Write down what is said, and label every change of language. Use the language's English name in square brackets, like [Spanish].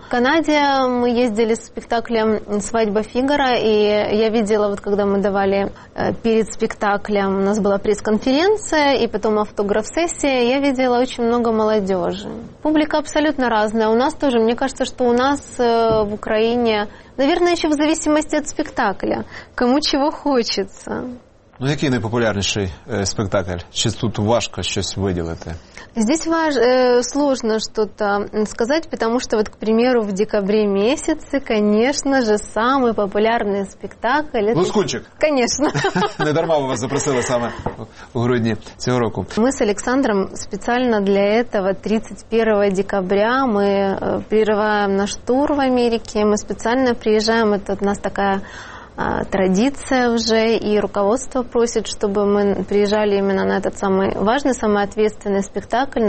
[Russian] В Канаде мы ездили с спектаклем «Свадьба Фигаро», и я видела, вот когда мы давали перед спектаклем, у нас была пресс-конференция, и потом автограф-сессия, я видела очень много молодежи. Публика абсолютно разная. У нас тоже, мне кажется, что у нас в Украине, наверное, еще в зависимости от спектакля, кому чего хочется. [Ukrainian] Ну, який найпопулярніший спектакль? Чи тут важко щось виділити? [Russian] Здесь сложно что-то сказать, потому что, вот, к примеру, в декабре месяце, конечно же, самый популярный спектакль... [Ukrainian] «Лускунчик». [Russian] Конечно. [Ukrainian] Не дарма ви вас запросили саме у грудні цього року. [Russian] Мы с Александром специально для этого 31 декабря мы прерываем наш тур в Америке, мы специально приезжаем, это у нас такая... традиция уже, и руководство просит, чтобы мы приезжали именно на этот самый важный, самый ответственный спектакль.